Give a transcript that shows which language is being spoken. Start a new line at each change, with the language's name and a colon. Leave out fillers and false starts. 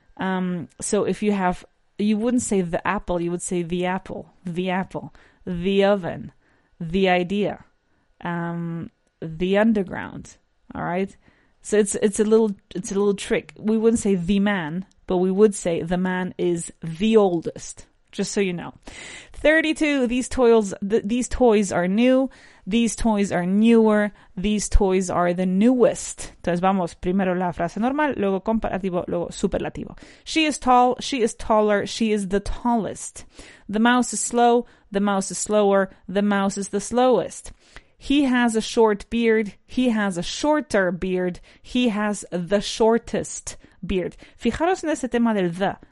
English: So if you have, you wouldn't say the apple, you would say the apple, the oven, the idea, the underground, all right? So it's a little trick. We wouldn't say the man, but we would say the man is the oldest, just so you know. 32, these toys are new, these toys are newer, these toys are the newest.
Spanish: Entonces vamos, primero la frase normal, luego comparativo, luego superlativo.
English: She is tall, she is taller, she is the tallest. The mouse is slow, the mouse is slower, the mouse is the slowest. He has a short beard. He has a shorter beard. He has the shortest beard.
Spanish: Fijaros en ese tema del the.